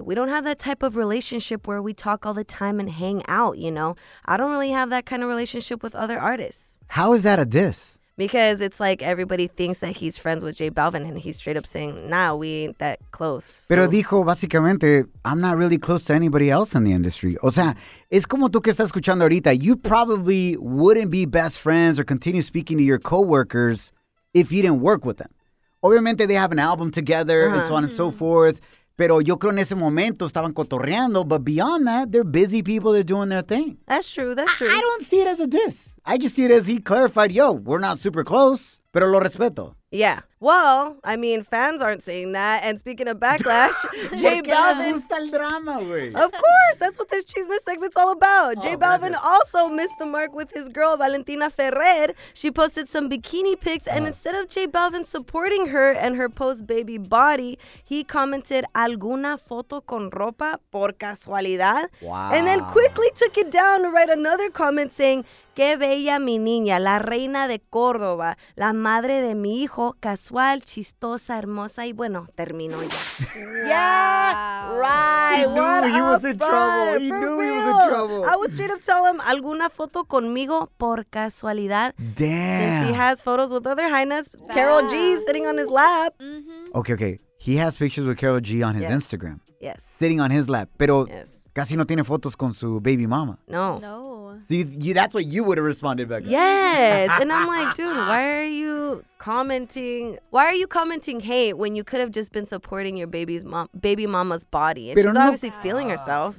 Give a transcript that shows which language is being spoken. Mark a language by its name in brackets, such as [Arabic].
[English] We don't have that type of relationship where we talk all the time and hang out, you know? I don't really have that kind of relationship with other artists. How is that a diss? Because it's like everybody thinks that he's friends with J Balvin, and he's straight up saying, nah, we ain't that close. [Spanish] Pero dijo, básicamente, [English] I'm not really close to anybody else in the industry. [Spanish] O sea, es como tú que estás escuchando ahorita. [English] You probably wouldn't be best friends or continue speaking to your coworkers if you didn't work with them. [Spanish] Obviamente, [English] they have an album together, uh-huh, and so on and so forth. [Spanish] Pero yo creo en ese momento estaban cotorreando. [English] But beyond that, they're busy people. They're doing their thing. That's true. That's true. I don't see it as a diss. I just see it as he clarified, yo, we're not super close, [Spanish] pero lo respeto. [English] Yeah. Well, I mean, fans aren't saying that. And speaking of backlash, J Balvin. [Spanish] ¿Por qué les gusta el drama, güey? [English] Of course. That's what this Chisme segment's all about. Oh, J Balvin also missed the mark with his girl, Valentina Ferrer. She posted some bikini pics. And instead of J Balvin supporting her and her post-baby body, he commented, [Spanish] ¿alguna foto con ropa por casualidad? [English] Wow. And then quickly took it down to write another comment saying, [Spanish] qué bella mi niña, la reina de Córdoba, la madre de mi hijo, casual, chistosa, hermosa, y bueno, terminó ya. [English] Wow. Yeah, right. He knew he was in trouble. He knew he was in trouble. I would straight up tell him, [Spanish] alguna foto conmigo por casualidad. [English] Damn. Since he has photos with other highness, Karol G sitting on his lap. Mm-hmm. Okay. He has pictures with Karol G on his Instagram. Yes. Sitting on his lap. [Spanish] Pero casi no tiene fotos con su [English] baby mama. [Spanish] No. No. [English] So you, that's what you would have responded back. Yes. And I'm like, dude, why are you commenting hate when you could have just been supporting your baby mama's body? And [Spanish] pero [English] she's obviously feeling herself.